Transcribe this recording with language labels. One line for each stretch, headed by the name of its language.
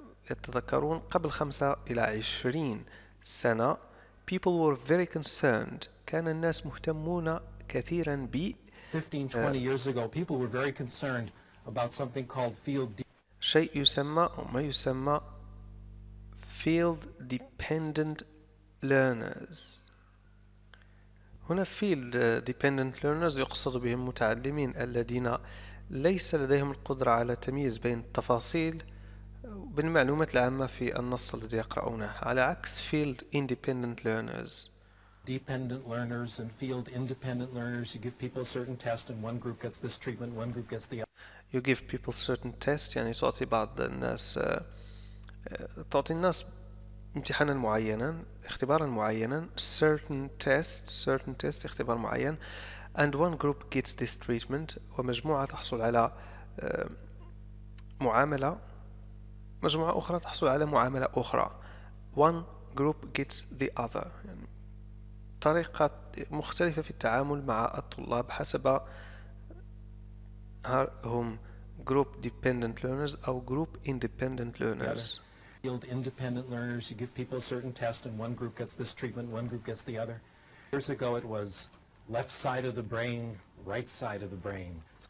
Arabic: يتذكرون قبل 5 إلى 20 سنة،
English: people were very concerned.
Arabic: كان الناس مهتمون كثيرا ب
English: 15-20 years ago people were very concerned about something called field
Arabic: شيء يسمى أو ما يسمى field dependent learners. هنا field dependent learners يقصد بهم متعلمين الذين ليس لديهم القدرة على التمييز بين التفاصيل وبين المعلومات العامة في النص الذي يقرؤونه، على عكس field independent learners.
English: Dependent learners and field independent learners. You give people a certain test, and one group gets this treatment, one group gets the other. You give people certain tests.
Arabic: يعني تعطي بعض الناس تعطي الناس امتحانا معينا، اختبارا معينا، certain test اختبار معين،
English: and one group gets this treatment.
Arabic: ومجموعة تحصل على معاملة، مجموعة أخرى تحصل على معاملة أخرى.
English: One group gets the other.
Arabic: يعني طريقة مختلفة في التعامل مع الطلاب حسب هم
English: group dependent learners or group independent learners. Field independent learners, you give people a certain test and one group gets this treatment, one group gets the other. Years ago it was left side of the brain, right side of the brain.